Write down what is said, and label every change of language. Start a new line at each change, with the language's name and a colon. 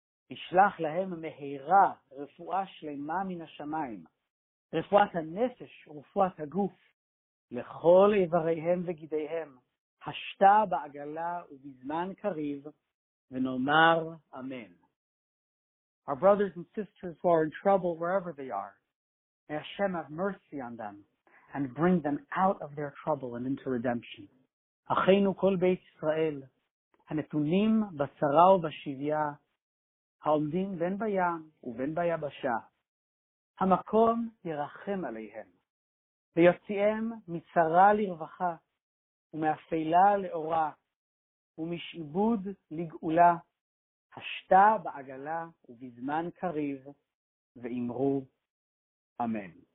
Hebrew: ישלח להם מהירה רפואה שלמה מן השמיים, רפואת הנפש ורפואת הגוף, לכל איבריהם וגידיהם, השתה בעגלה ובזמן קריב, ונאמר אמן.
English: Our brothers and sisters who are in trouble wherever they are, may Hashem have mercy on them and bring them out of their trouble and into redemption.
Hebrew: אחינו כל בית ישראל, הנתונים בצרה ובשביה, העומדים בין בים ובין ביבשה, המקום ירחם עליהם, ויוציאם מצרה לרווחה, ומאפלה לאורה, ומשעבוד לגאולה, השתה בעגלה ובזמן קריב, ואמרו אמן.